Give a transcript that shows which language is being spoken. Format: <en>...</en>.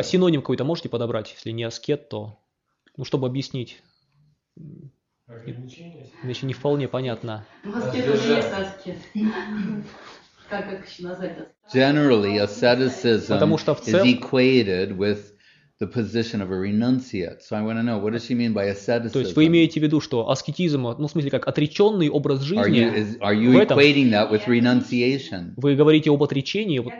<ru>А синоним какой-то можете подобрать, если не аскет, то, ну, чтобы объяснить. Ограничение. Значит, не вполне понятно. Аскет уже есть аскет. Как еще назвать это?</ru> <en>Generally, asceticism is equated with the position of a renunciate. So I want to know, what does she mean by asceticism?</en> <ru>То есть вы имеете в виду, что аскетизм, ну, в смысле, как отреченный образ жизни,</ru> <en>are you, is, are you</en> <ru>в этом,</ru> <en>equating that with renunciation?</en> <ru>Вы говорите об отречении.</ru>